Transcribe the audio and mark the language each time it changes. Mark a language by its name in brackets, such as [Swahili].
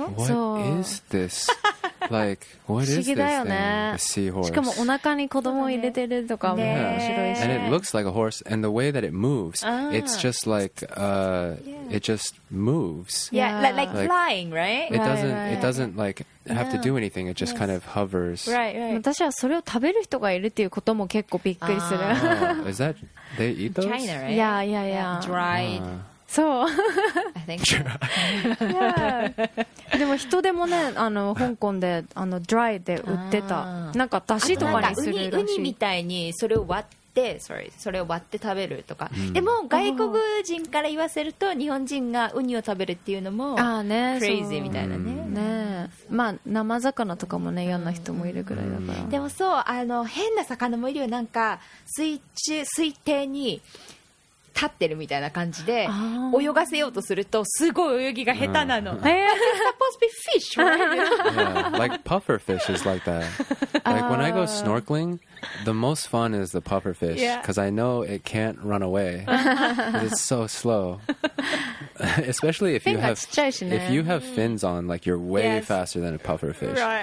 [English] what is this like what is this、ね、thing a seahorse、 [Japanese] しかもお腹に子供を入れてるとか、ね、面白いし、ね、 [English] and it looks like a horse and the way that it moves、ah. it's just like、yeah. it just moves yeah, yeah. Like flying right it doesn't right, right. it doesn't like have to do anything it just、yes. kind of hovers right, right. [Japanese] 私はそれを食べる人がいるっていうことも結構びっくりする、 [English] oh, is that they eat those China right yeah yeah yeah, yeah. dried、 [Japanese] そう。 [English] I think so. [Japanese] でも人でもね、あの香港であのドライで売ってた。なんかだしとかにするらしい。ウニみたいにそれを割って、sorry、それを割って食べるとか。うん、でも外国人から言わせると日本人がウニを食べるっていうのもあーね、クレイジーみたいなね。ね、まあ生魚とかもね嫌な人もいるぐらいだから。でもそう、あの変な魚もいるよ。なんか水底に。立ってるみたいな感じで泳がせようとするとすごい泳ぎが下手なの。 [English] Supposed to be fish, right? Like puffer fish is like that. Like when I go snorkeling, the most fun is the puffer fish because I know it can't run away. It's so slow. Especially if you have fins on, like you're way faster than a puffer fish.